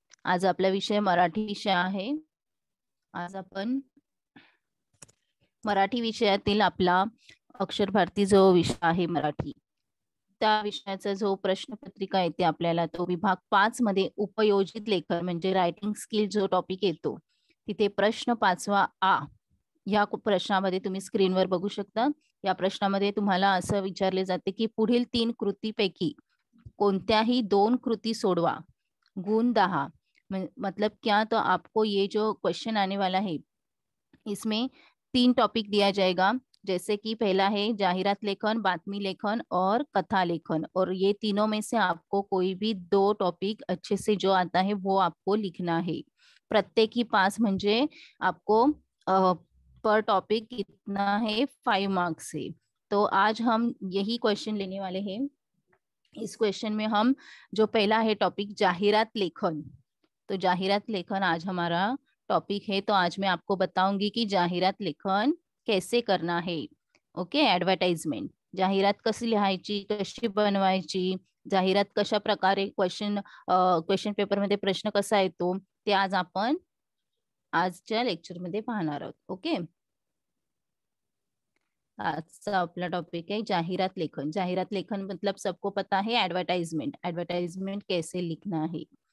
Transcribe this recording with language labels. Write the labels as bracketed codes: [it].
[mr] आज आपला विषय मराठी विषय आहे. आज आपण मराठी विषयातील आपला अक्षर भारती जो विषय आहे मराठी त्या विषयाचा जो प्रश्नपत्रिका येते आपल्याला तो विभाग पाच मध्ये उपयोजित लेखन म्हणजे रायटिंग स्किल जो टॉपिक येतो तिथे प्रश्न पाचवा आ या प्रश्नामध्ये तुम्ही स्क्रीनवर बघू शकता. या प्रश्नामध्ये तुम्हाला असं विचारले जाते की पुढील तीन कृतीपैकी कोणत्याही दोन कृती सोडवा गुण दहा. [hi] मतलब क्या तो आपको ये जो क्वेश्चन आने वाला है इसमें तीन टॉपिक दिया जाएगा. जैसे कि पहला है जाहिरात लेखन, बातमी लेखन और कथा लेखन. और ये तीनों में से आपको कोई भी दो टॉपिक अच्छे से जो आता है वो आपको लिखना है. प्रत्येक ही पास म्हणजे आपको पर टॉपिक कितना है 5 मार्क्स है. तो आज हम यही क्वेश्चन लेने वाले हैं. इस क्वेश्चन में हम जो पहला है टॉपिक जाहिरात लेखन, तो जाहिरात लेखन आज हमारा टॉपिक है. तो आज मैं आपको बताऊंगी कि जाहिरात लेखन कैसे करना है. [mr] ओके, एडवर्टाइजमेंट जाहिरात कशी लिहायची, कशी बनवायची, जाहिरात कशा प्रकारे क्वेश्चन क्वेश्चन पेपर मध्ये प्रश्न कसा येतो ते आज आपण आजच्या लेक्चर मध्ये पाहणार आहोत. ओके, आजचा आपला टॉपिक आहे जाहिरात लेखन. [hi] जाहिरात लेखन मतलब सबको पता है एडवर्टाइजमेंट. एडवर्टाइजमेंट कैसे लिखना है.